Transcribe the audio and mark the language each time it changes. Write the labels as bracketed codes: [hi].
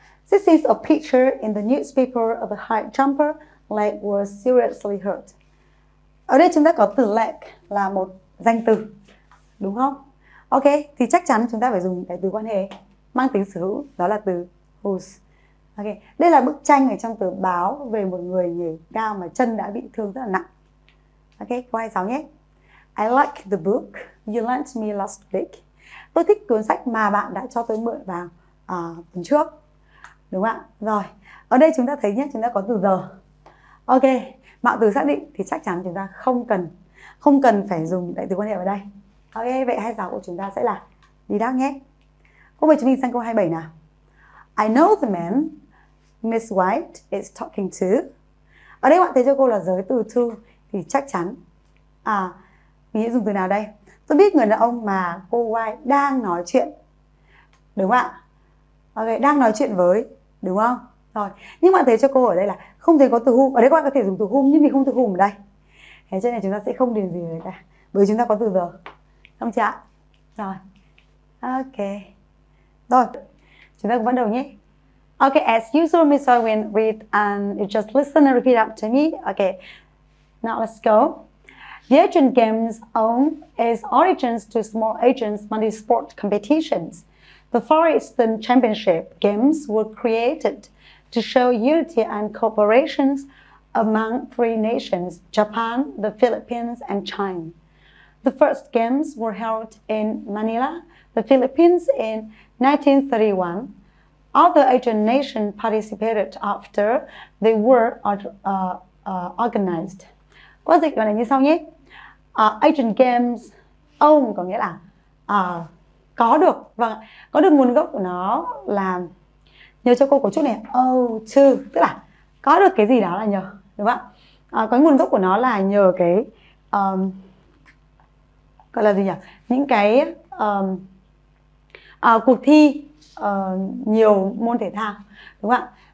[en] This is a picture in the newspaper of a high jumper leg was seriously hurt. [vi] Ở đây chúng ta có từ leg là một danh từ, đúng không? Ok, thì chắc chắn chúng ta phải dùng cái từ quan hệ mang tính sở hữu, đó là từ whose. Ok, đây là bức tranh ở trong tờ báo về một người nhảy cao mà chân đã bị thương rất là nặng. Ok, câu 26 nhé. [en] I like the book you lent me last week. [vi] Tôi thích cuốn sách mà bạn đã cho tôi mượn vào tuần trước. Đúng không ạ? Rồi, ở đây chúng ta thấy nhé, chúng ta có từ the. Ok, mạo từ xác định thì chắc chắn chúng ta không cần phải dùng đại từ quan hệ ở đây. Ok, vậy 26 của chúng ta sẽ là đi đáp nhé. Cô mời chúng mình sang câu 27 nào. [en] I know the man Miss White is talking to. [vi] Ở đây bạn thấy cho cô là giới từ to thì chắc chắn mình sẽ dùng từ nào đây? Tôi biết người đàn ông mà cô White đang nói chuyện, đúng không ạ? Ok, đang nói chuyện với, đúng không? Rồi, nhưng bạn thấy cho cô ở đây là không thấy có từ whom. Ở đây các bạn có thể dùng từ whom nhưng mình không từ whom ở đây. Thế cho nên chúng ta sẽ không điền gì người ta, bởi chúng ta có từ the. Không chị ạ? Rồi, ok. Rồi, chúng ta cùng bắt đầu nhé. [en] Ok, as usual, Miss Owen, read and you just listen and repeat after me. Ok, now let's go. The agent game's own is origins to small agents multi-sport competitions. The Far Eastern Championship Games were created to show unity and cooperation among three nations, Japan, the Philippines, and China. The first games were held in Manila, the Philippines, in 1931. Other Asian nations participated after they were organized. [vi] Qua dịch là như sau nhé. Asian Games own có nghĩa là có được, và có được nguồn gốc của nó là, nhớ cho cô có chút này, oh to, tức là có được cái gì đó là nhờ, đúng không ạ? Có nguồn gốc của nó là nhờ cái gọi là gì nhỉ, những cái cuộc thi nhiều môn thể thao, đúng không ạ?